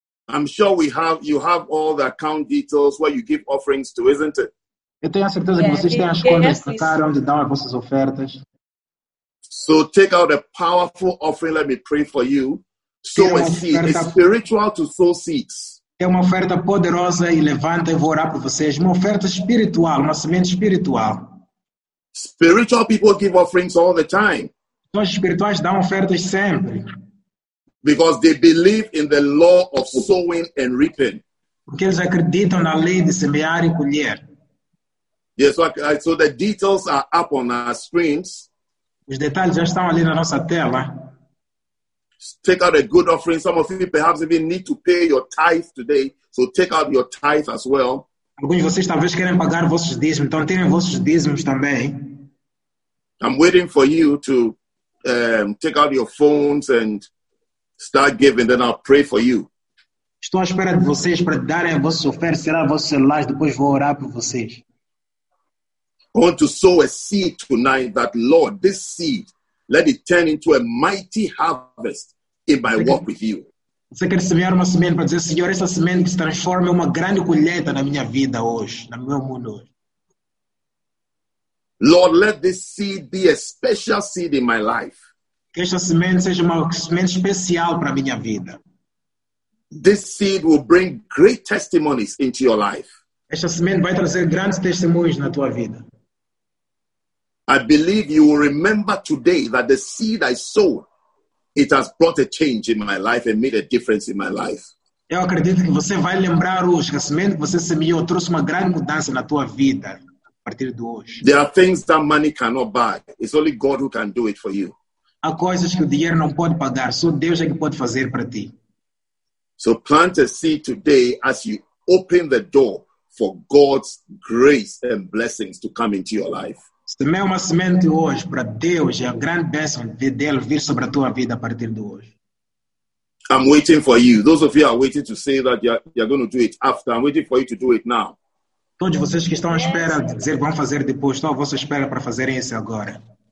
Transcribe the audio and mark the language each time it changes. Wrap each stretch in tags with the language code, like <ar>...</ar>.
<en>I'm sure you have all the account details where you give offerings to, isn't it?</en> <pt>Eu tenho a certeza que vocês têm as contas para onde dão as vossas ofertas.</pt> <en>So take out a powerful offering. Let me pray for you. Sow a seed. It's spiritual to sow seeds.</en> <pt>É uma oferta poderosa e levanta, eu vou orar para vocês. Uma oferta espiritual, uma semente espiritual.</pt> <en>Spiritual people give offerings all the time.</en> <pt>Os espirituais dão ofertas sempre.</pt> <en>Because they believe in the law of sowing and reaping.</en> <pt>Porque eles acreditam na lei de semear e colher.</pt> <en>Yes, so the details are up on our screens.</en> <pt>Os detalhes já estão ali na nossa tela.</pt> <en>Take out a good offering. Some of you perhaps even need to pay your tithe today. So take out your tithe as well.</en> <pt>Alguns de vocês talvez querem pagar vossos dízimos. Então tirem vossos dízimos também.</pt> <en>I'm waiting for you to take out your phones and start giving. Then I'll pray for you.</en> <pt>Estou à espera de vocês para darem a vossa oferta. Será vossos celulares. Depois vou orar por vocês.</pt> <en>I want to sow a seed tonight that, Lord, this seed, let it turn into a mighty harvest in my work with you.</en> <pt>Você quer semear uma semente para dizer, Senhor, essa semente que se transforma em uma grande colheita na minha vida hoje, no meu mundo hoje.</pt> <en>Lord, let this seed be a special seed in my life.</en> <pt>Que esta semente seja uma semente especial para a minha vida.</pt> <en>This seed will bring great testimonies into your life.</en> <pt>Esta semente vai trazer grandes testemunhos na tua vida.</pt> <en>I believe you will remember today that the seed I sowed, it has brought a change in my life and made a difference in my life.</en> <pt>Eu acredito que você vai lembrar hoje que a semente que você semeou trouxe uma grande mudança na tua vida a partir de hoje.</pt> <en>There are things that money cannot buy. It's only God who can do it for you.</en> <pt>Há coisas que o dinheiro não pode pagar. Só Deus é que pode fazer para ti.</pt> <en>So plant a seed today as you open the door for God's grace and blessings to come into your life.</en> <pt>Semeia uma semente hoje para Deus e a grande bênção de Deus vir sobre a tua vida a partir de hoje.</pt> <en>I'm waiting for you. Those of you are waiting to say that you are going to do it after. I'm waiting for you to do it now.</en> <pt>Todos vocês que estão à espera de dizer vão fazer depois, estou à vossa espera para fazer isso agora.</pt>